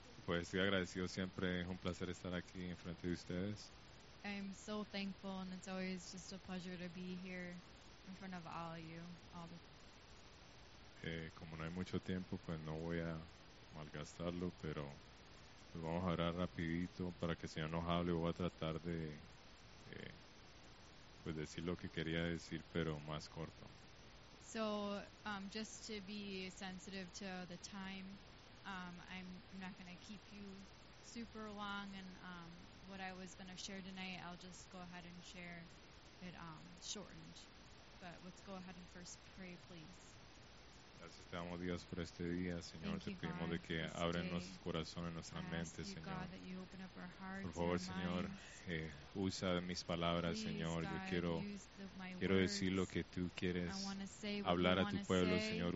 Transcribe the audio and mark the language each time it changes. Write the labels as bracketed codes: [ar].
[es] Pues estoy agradecido siempre, es un placer estar aquí en frente de ustedes. [en] I'm so thankful and it's always just a pleasure to be here in front of all of you. All the [es] como no hay mucho tiempo, pues no voy a malgastarlo, pero pues vamos a orar rapidito para que el Señor nos hable. Voy a tratar de pues decir lo que quería decir, pero más corto. [en] So, just to be sensitive to the time, I'm not going to keep you super long, and what I was going to share tonight, I'll just go ahead and share it shortened. But let's go ahead and first pray, please. [es] Gracias te damos Dios por este día, Señor. [en] Thank [es] te pedimos de que abren nuestros corazones, nuestra mente, Señor. Por favor, Señor, usa mis palabras, Señor. Yo quiero decir lo que tú quieres hablar a tu pueblo, Señor.